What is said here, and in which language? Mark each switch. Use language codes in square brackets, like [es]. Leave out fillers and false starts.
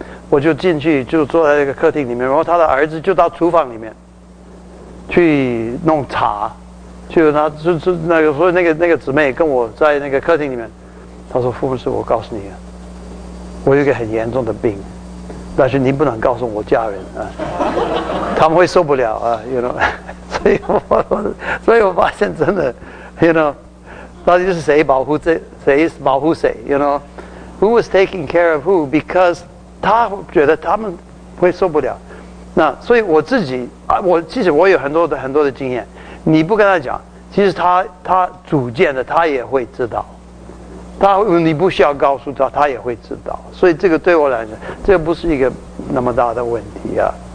[zh] 我就进去就坐在那个客厅里面，然后他的儿子就到厨房里面去弄茶，就他就那个，所以那个姊妹跟我在那个客厅里面，他说：“副牧师，我告诉你，我有一个很严重的病，但是你不能告诉我家人啊，他们会受不了啊 ， [en] you know。” [zh] 所以我发现真的 ， [en] you know。 [zh] 到底是谁保护谁 [en] ？You know, who was taking care of who? Because [zh] 他觉得他们会受不了。那所以我自己，我其实我有很多的经验。你不跟他讲，其实他主见的他也会知道。他你不需要告诉他，他也会知道。所以这个对我来讲，这个、不是一个那么大的问题啊。